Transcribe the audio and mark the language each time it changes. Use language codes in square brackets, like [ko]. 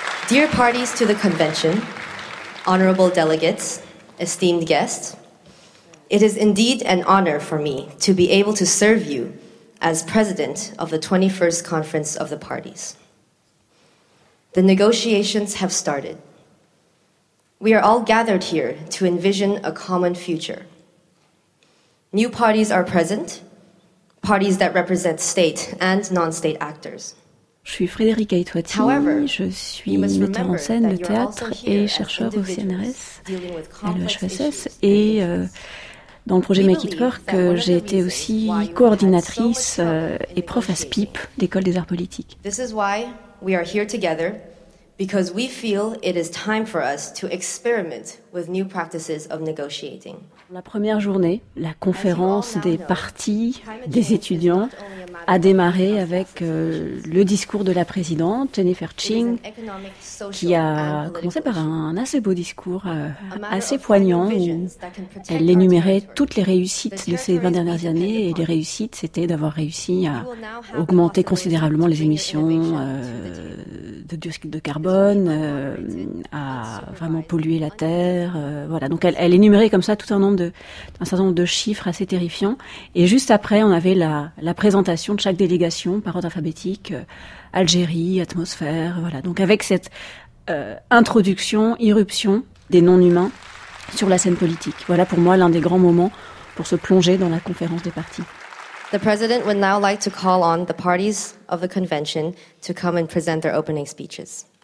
[en] Dear parties to the convention, honorable delegates, esteemed guests, it is indeed an honor for me to be able to serve you as president of the 21st Conference of the Parties. The negotiations have started. We are all gathered here to envision a common future. New parties are present, parties that represent state and non-state actors. [fr] Je suis Frédérique Aitouati, je suis metteur en scène de théâtre et chercheur au CNRS, à l'EHESS, et dans le projet Make It Work, j'ai été aussi coordinatrice et prof à SPIP, l'École des arts politiques. [en] This is why we are here together, because we feel it is time for us to experiment with new practices of negotiating. [fr] La première journée, la conférence des partis, des étudiants, a démarré avec le discours de la présidente, Jennifer Ching, qui a commencé par un assez beau discours, assez poignant, où elle énumérait toutes les réussites de ces 20 dernières années, et les réussites, c'était d'avoir réussi à augmenter considérablement les émissions de dioxyde de carbone, à vraiment polluer la Terre. Voilà. Donc elle énumérait comme ça tout un nombre un certain nombre de chiffres assez terrifiants. Et juste après, on avait la présentation de chaque délégation par ordre alphabétique, Algérie, atmosphère, voilà. Donc avec cette introduction, irruption des non-humains sur la scène politique. Voilà pour moi l'un des grands moments pour se plonger dans la conférence des partis. [en] The president would now like to call on the parties of the convention to come and present their opening speeches.